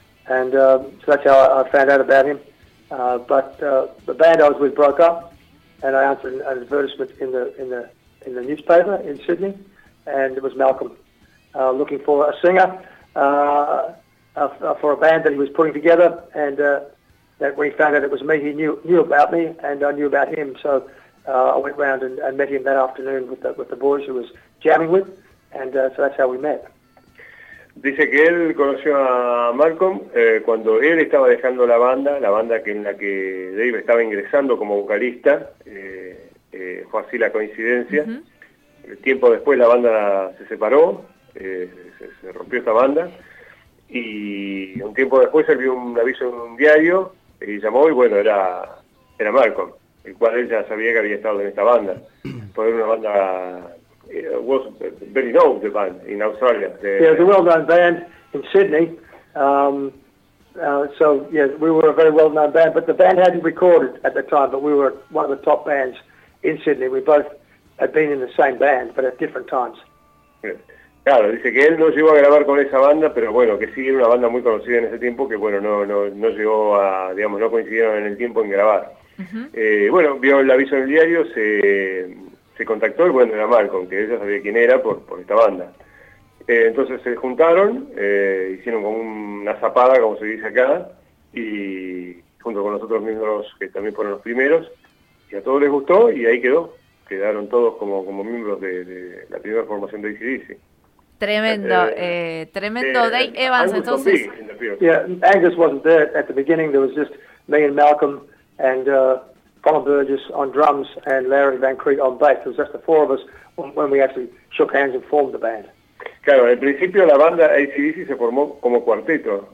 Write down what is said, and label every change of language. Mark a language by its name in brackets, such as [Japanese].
[English] And so that's how I found out about him. But the band I was with broke up, and I answered an advertisement in the newspaper in Sydney, and it was Malcolm looking for a singer for a band that he was putting together. And that when he found out it was me, he knew about me, and I knew about him. So I went round and met him that afternoon with the boys he was jamming with, and so that's how we met. [Spanish] Dice que él conoció a Malcolm cuando él estaba dejando la banda que en la que Dave estaba ingresando como vocalista, fue así la coincidencia. Uh-huh. Tiempo después la banda se separó, se rompió esa banda, y un tiempo después él vio un aviso en un diario y llamó, y bueno, era Malcolm, el cual él ya sabía que había estado en esta banda, por una banda... [English] was very known the band in Australia. Yeah, it was a well-known band in Sydney. So we were a very well-known band, but the band hadn't recorded at the time, but we were one of the top bands in Sydney. We both had been in the same band, but at different times. Yeah. [Spanish] Claro, dice que él no llegó a grabar con esa banda, pero bueno, que sí era una banda muy conocida en ese tiempo, que bueno, no llegó a, digamos, no coincidieron en el tiempo en grabar. Uh-huh. Bueno, vio el aviso en el diario, se contactó y bueno, era Malcolm, que ella sabía quién era por esta banda. Entonces se juntaron, hicieron como una zapada, como se dice acá, y junto con nosotros mismos, que también fueron los primeros, y a todos les gustó, y ahí quedó. Quedaron todos como miembros de la primera formación de AC/DC. Tremendo, tremendo. Dave Evans, Angus entonces... [English] Yeah, Angus wasn't there at the beginning, there was just me and Malcolm, and... Colin Burgess on drums and Larry Van Creek on bass. It was just the four of us when we actually shook hands and formed the band. [Spanish] Claro, al principio la banda AC/DC se formó como cuarteto.